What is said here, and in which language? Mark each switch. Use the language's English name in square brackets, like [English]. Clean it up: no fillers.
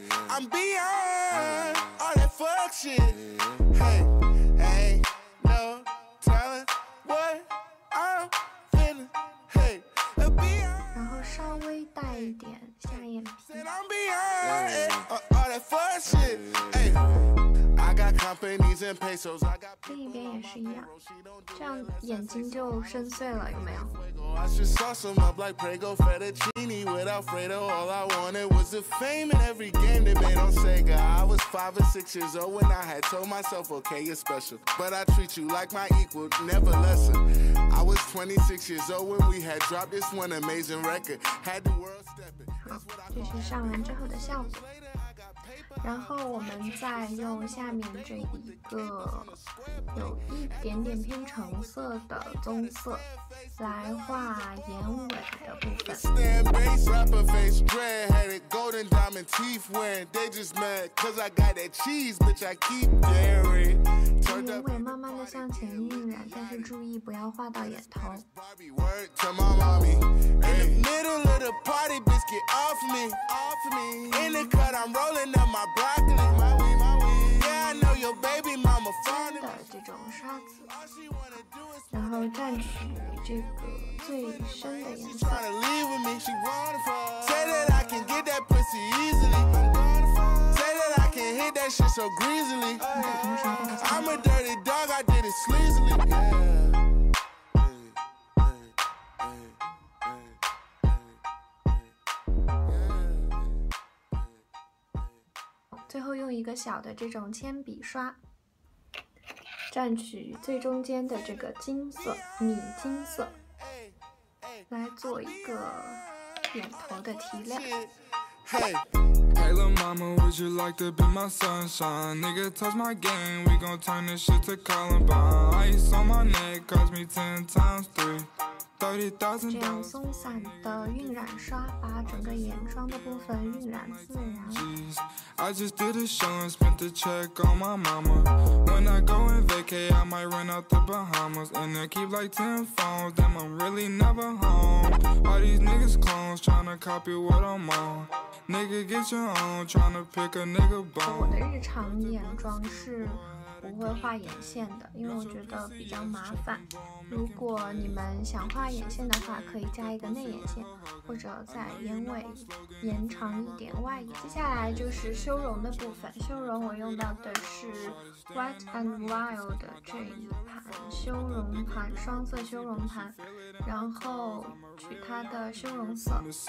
[English] I'm beyond all that fuck shit. Hey, no telling what I'm feeling. Hey, I'm beyond. [Chinese] 然后稍微带一点下眼皮。 [English] I'm beyond all that fuck shit. Hey. Companies and pesos. [Chinese] 另一边也是一样，这样眼睛就深邃了，有没有？ [English] I should sauce them up like Prego Fettuccine with Alfredo. All I wanted was the fame in every game they made on Sega. I was 5 or 6 years old when I had told myself, okay, you're special. But I treat you like my equal, never lesser. I was 26 years old when we had dropped this one amazing record. Had the world stepping. [Chinese] 好，这是上完之后的效果。然后我们再用下面这一个有一点点偏橙色的棕色来画眼尾的部分。 [English] Golden diamond teeth wearing, they just mad cause I got that cheese, bitch. I keep daring. [Chinese] 眼尾慢慢的向前晕染，但是注意不要画到眼头。 [English] In the middle of the party, bitch, get off me, off me. In the cut, I'm rolling up my broccoli. Yeah, I know your baby mama fond of me. [Chinese] 这种刷子，然后蘸取这个最深的颜色。 [English] She tryna leave with me, she wanna fall. Say that I can get that pussy easily. Say that I can hit that shit so greasily. I'm a dirty dog, I did it sleazily. Yeah. [Chinese] 最后用一个小的这种铅笔刷，蘸取最中间的这个金色，米金色，来做一个眼头的提亮。 [English] Hey, little mama, would you like to be my sunshine? Nigga, touch my game, we gon' turn this shit to Columbine. Ice on my neck, cost me 10 times 3, 30,000. [Chinese] 这样松散的晕染刷，把整个眼妆的部分晕染自然。 [English] I just did a show and spent the check on my mama. When I go and vacay, I might run out the Bahamas and I keep like 10 phones. Damn, I'm really never home. All these niggas clones tryna copy what I'm on. Nigga get your own, tryna pick a nigga bone. [Chinese] 我的日常眼妆是不会画眼线的，因为我觉得比较麻烦。如果你们想画眼线的话，可以加一个内眼线，或者在眼尾延长一点外眼。接下来就是修容的部分，修容我用到的是 Wet and Wild 的这一盘修容盘，双色修容盘，然后取它的修容色。